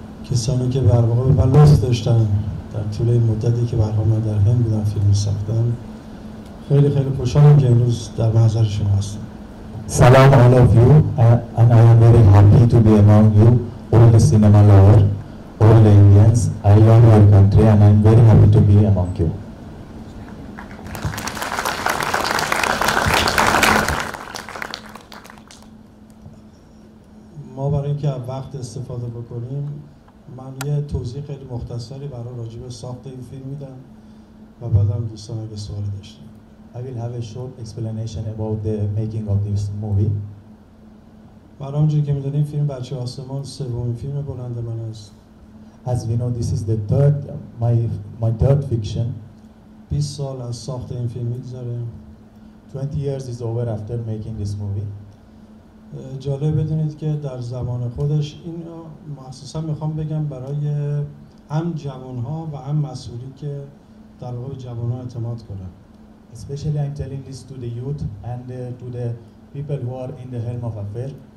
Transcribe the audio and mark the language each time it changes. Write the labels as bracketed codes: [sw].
[fa] کسانی که بر واقع به من لطف داشتن در طول این مدتی که بر واقع من در هند بودم فیلم ساختم خیلی خیلی خوشحالم که امروز در محضر شما هستم [en] سلام all of you and I am very happy to be among you all the cinema lover all the Indians I love your country and I am very happy to be among you [fa] ما برای اینکه وقت استفاده بکنیم من یه توضیح خیلی مختصری برای راجع به ساخت این فیلم میدم و بعدم دوستان اگه سوالی داشتن [en] I will have a short explanation about the making of this movie. [fa] برای اونجوری که میدونیم فیلم بچه آسمان سومین فیلم بلند من است. [en] As we know this is the third my third fiction. [fa] 20 سال از ساخت این فیلم میگذره. [en] 20 years is over after making this movie. [fa] جالب بدونید که در زمان خودش این مخصوصا میخوام بگم برای هم جوانها و هم مسئولی که در واقع جوانها اعتماد کنن [en] Especially I'm telling this to the youth and to the people who are in the helm of affair